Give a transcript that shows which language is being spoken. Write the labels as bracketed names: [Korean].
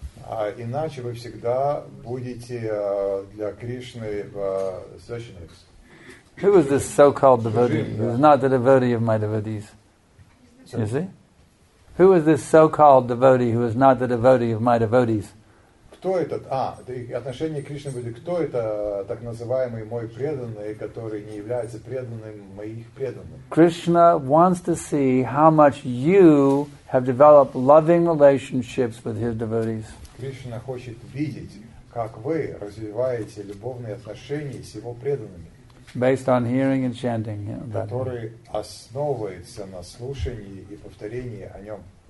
[Russian] А иначе вы всегда будете для Кришны в священниках. [English] Who is this so-called devotee? He is not the devotee of my devotees. You see? Who is this so-called devotee who is not the devotee of my devotees? [Russian] Кто этот? Отношение к Кришне будет. Кто это так называемый мой преданный, который не является преданным моих преданных? [English] Krishna wants to see how much you have developed loving relationships with his devotees. [Russian] Кришна хочет видеть, как вы развиваете любовные отношения с его преданными. [English] Based on hearing and chanting him. [Russian] Который основывается на слушании и повторении о нем.